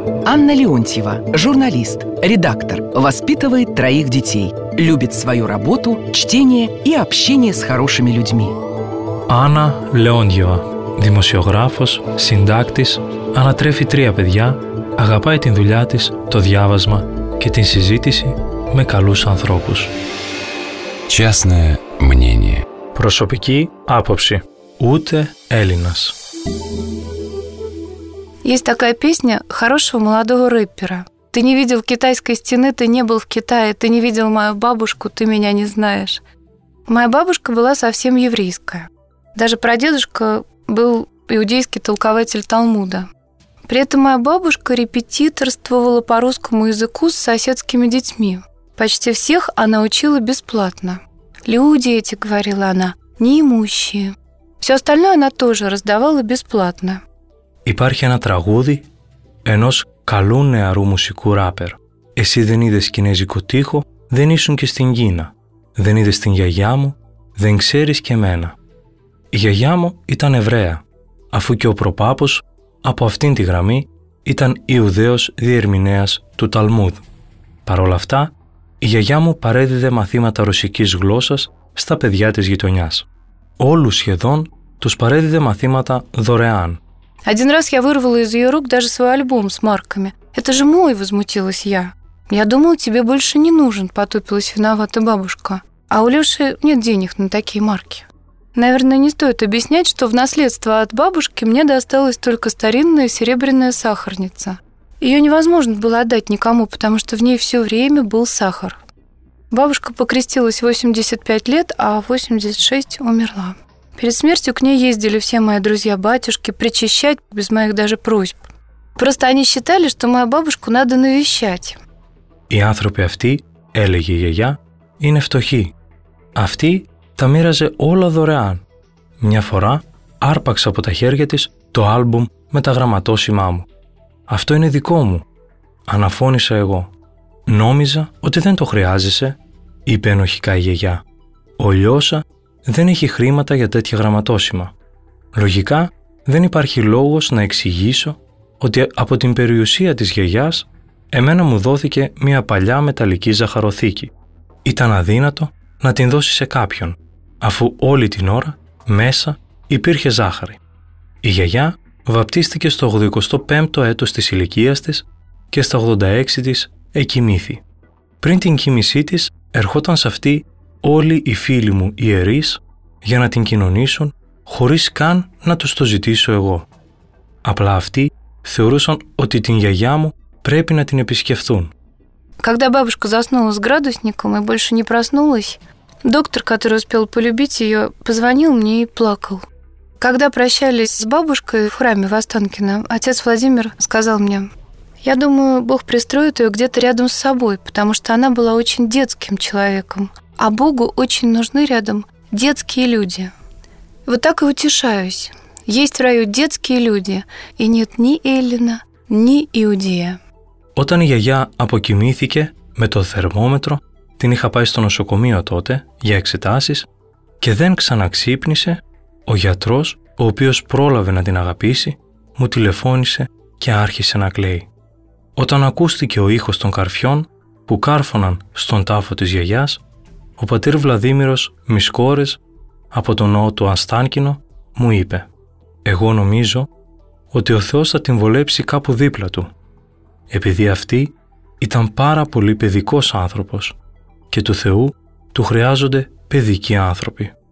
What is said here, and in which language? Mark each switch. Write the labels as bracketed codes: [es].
[ru] Анна Леонтьева, журналист, редактор, воспитывает троих детей, любит свою работу, чтение и общение с хорошими людьми. [el] Анна Леонтьева, δημοσιογράφος, συντάκτης, ανατρέφει τρία παιδιά, αγαπάει την δουλειά της, το διάβασμα και την συζήτηση με καλούς ανθρώπους. [ru] Частное мнение. [el] Προσωπική άποψη. Ούτε Έλληνας. [ru] Есть такая песня хорошего молодого рэпера. Ты не видел китайской стены, ты не был в Китае, ты не видел мою бабушку, ты меня не знаешь. Моя бабушка была совсем еврейская. Даже прадедушка был иудейский толкователь Талмуда. При этом моя бабушка репетиторствовала по русскому языку с соседскими детьми. Почти всех она учила бесплатно. «Люди эти», — говорила она, — «неимущие». Все остальное она тоже раздавала бесплатно. [el] Υπάρχει ένα τραγούδι ενός καλού νεαρού μουσικού ράπερ. «Εσύ δεν είδες κινέζικο τοίχο, δεν ήσουν και στην Κίνα. Δεν είδες την γιαγιά μου, δεν ξέρεις και εμένα». Η γιαγιά μου ήταν Εβραία, αφού και ο προπάπος από αυτήν τη γραμμή ήταν Ιουδαίος διερμηνέας του Ταλμούδ. Παρ' όλα αυτά, η γιαγιά μου παρέδιδε μαθήματα ρωσικής γλώσσας στα παιδιά της γειτονιάς. Όλους σχεδόν τους παρέδιδε μαθήματα δωρεάν. [ru] Один раз я вырвала из ее рук даже свой альбом с марками. Это же мой, возмутилась я. Я думала, тебе больше не нужен, потупилась виновата бабушка. А у Леши нет денег на такие марки. Наверное, не стоит объяснять, что в наследство от бабушки мне досталась только старинная серебряная сахарница. Ее невозможно было отдать никому, потому что в ней все время был сахар. Бабушка покрестилась 85 лет, а 86 умерла. Перед смертью к ней ездили все мои друзья-батюшки причащать без моих даже просьб. Просто они считали, что мою бабушку надо навещать. [el] «Οι άνθρωποι αυτοί, έλεγε η γιαγιά, είναι φτωχοί. Αυτή τα μοίραζε όλα δωρεάν. Μια φορά άρπαξα από τα χέρια της το άλμπουμ με τα γραμματόσημά μου. Αυτό είναι δικό μου», αναφώνησα εγώ. «Νόμιζα ότι δεν το χρειάζεσαι», είπε ενοχικά η γιαγιά. «Ολιώσα δεν έχει χρήματα για τέτοια γραμματόσημα. Λογικά δεν υπάρχει λόγος να εξηγήσω ότι από την περιουσία της γιαγιάς εμένα μου δόθηκε μια παλιά μεταλλική ζαχαροθήκη. Ήταν αδύνατο να την δώσει σε κάποιον, αφού όλη την ώρα μέσα υπήρχε ζάχαρη. Η γιαγιά βαπτίστηκε στο 85ο έτος της ηλικίας της και στα 86 της εκοιμήθη. Πριν την κοίμησή της ερχόταν σε αυτή όλοι οι φίλοι μου ιερείς για να την κοινωνήσουν χωρίς καν να τους το ζητήσω εγώ. Απλά αυτοί θεωρούσαν ότι την γιαγιά μου πρέπει να την επισκεφθούν. [ru] Когда бабушка заснула с градусником и больше не проснулась, доктор, который успел полюбить ее, позвонил мне и плакал. Когда прощались с бабушкой в храме в Останкино, отец Владимир сказал мне: «Я думаю, Бог пристроит ее где-то рядом с собой, потому что она была очень детским человеком, а Богу очень нужны рядом детские люди». Вот так и утешаюсь. Есть в раю детские люди, и нет ни Эллина, ни Иудея. [el] Όταν η γιαγιά αποκοιμήθηκε με το θερμόμετρο, την είχα πάει στο νοσοκομείο τότε για εξετάσεις και δεν ξαναξύπνησε, ο γιατρός, ο οποίος πρόλαβε να την αγαπήσει, μου τηλεφώνησε και άρχισε να κλαίει. Όταν ακούστηκε ο ήχος των καρφιών που κάρφωναν στον τάφο της γιαγιάς, ο πατήρ Βλαδίμηρος Μισκόρες από τον ναό του Αστάνκινο μου είπε: «Εγώ νομίζω ότι ο Θεός θα την βολέψει κάπου δίπλα του, επειδή αυτή ήταν πάρα πολύ παιδικός άνθρωπος και του Θεού του χρειάζονται παιδικοί άνθρωποι.